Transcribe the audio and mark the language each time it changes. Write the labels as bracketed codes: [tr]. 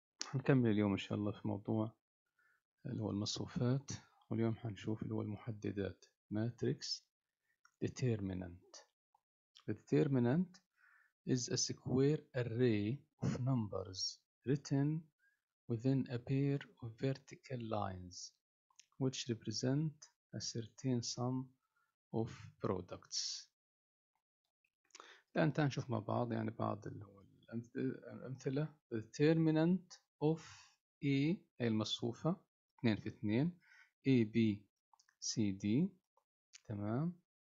[ar] هنكمل اليوم إن شاء الله في موضوع اللي هو المصفوفات، واليوم هنشوف اللي هو المحددات matrix determinant. [en] The determinant is a square array of numbers written within a pair of vertical lines which represent a certain sum of products. [ar] الآن تعال نشوف مع بعض يعني بعض اللي هو أمثلة. [en] The determinant of A [ar] أي المصفوفة 2 في 2 A B C D تمام.